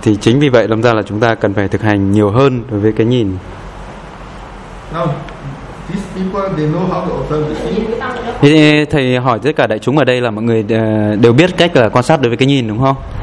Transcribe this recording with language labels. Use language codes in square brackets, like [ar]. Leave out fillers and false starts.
[vi] Thì chính vì vậy đâm ra là chúng ta cần phải thực hành nhiều hơn đối với cái nhìn. [en] Now, these people, they know how to observe the scene. [vi] Thầy hỏi tất cả đại chúng ở đây là mọi người đều biết cách là quan sát đối với cái nhìn đúng không?